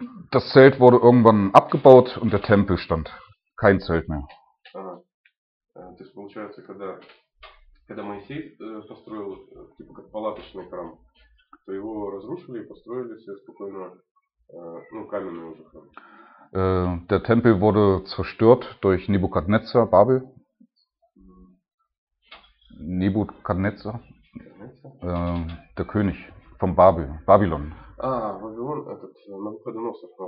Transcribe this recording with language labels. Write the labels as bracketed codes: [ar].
[de] Das Zelt wurde irgendwann abgebaut und der Tempel stand. Kein Zelt mehr. [ru] То есть получается, когда Моисей построил типа как палаточный храм, то его разрушили и построили себе спокойно каменный уже храм. [de] Der Tempel wurde zerstört durch Nebukadnezar, Babel. Nebukadnezar, der König von Babylon. Ah, Babylon, das ist Nebukadnezar.